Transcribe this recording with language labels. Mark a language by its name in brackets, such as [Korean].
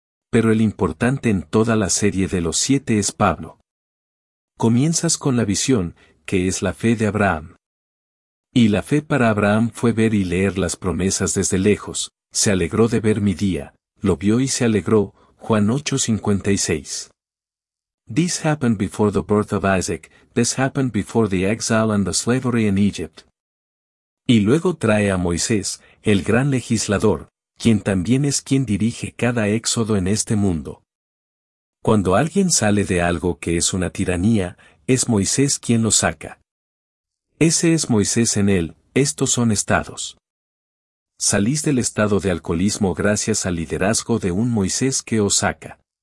[Spanish] pero el importante en toda la serie de los siete es Pablo. Comienzas con la visión, que es la fe de Abraham. Y la fe para Abraham fue ver y leer las promesas desde lejos, se alegró de ver mi día, lo vio y se alegró, Juan 8:56. [English] This happened before the birth of Isaac, this happened before the exile and the slavery in Egypt. [Spanish] Y luego trae a Moisés, el gran legislador, quien también es quien dirige cada éxodo en este mundo. Cuando alguien sale de algo que es una tiranía, es Moisés quien lo saca. Ese es Moisés en él, estos son estados. Salís del estado de alcoholismo gracias al liderazgo de un Moisés que os saca.